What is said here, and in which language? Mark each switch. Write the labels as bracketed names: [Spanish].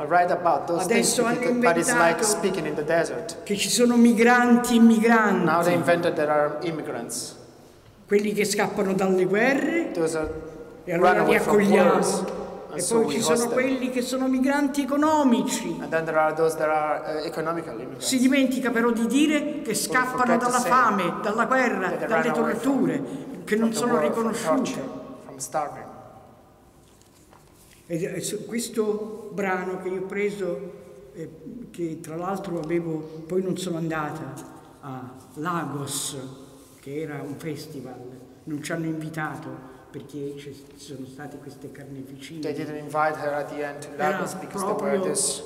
[English] I write about those [Italian] adesso [English] things [Italian] hanno inventato, [English] but it's like speaking in the desert. [Italian] Che ci sono migranti e migranti. [English] Now they invented there are immigrants. [Italian] Quelli che scappano dalle guerre. [English] Those are [Italian] e allora li accogliamo. [English] Wars, [Italian] e poi ci sono quelli che sono migranti economici. [English] And then there are those that are economical immigrants. [Italian] Si dimentica però di dire che scappano dalla fame, dalla guerra, dalle torture, che non sono riconosciute. E questo brano che io ho preso, che tra l'altro avevo, poi non sono andata a Lagos, che era un festival, non ci hanno invitato perché ci sono state queste carneficine. [English] They didn't invite her at the end to Lagos because there were this